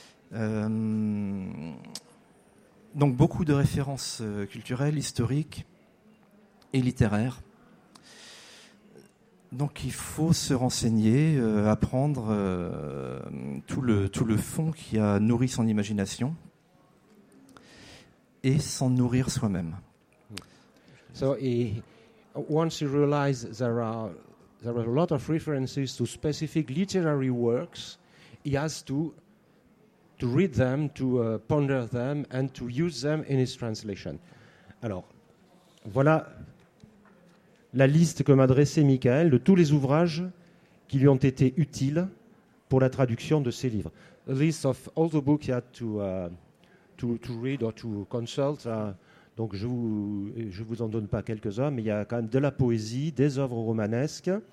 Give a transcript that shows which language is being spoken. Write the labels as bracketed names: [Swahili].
[French] Donc beaucoup de références culturelles, historiques et littéraires. Donc il faut se renseigner, apprendre tout le fond qui a nourri son imagination et s'en nourrir soi-même. [English] So once you realize there are a lot of references to specific literary works, he has to read them, to ponder them, and to use them in his translation. [French] Alors, voilà la liste que m'a dressée Michael de tous les ouvrages qui lui ont été utiles pour la traduction de ses livres. [English] A list of all the books he had to read or to consult. [French] Donc, je vous en donne pas quelques-uns, mais il y a quand même de la poésie, des œuvres romanesques,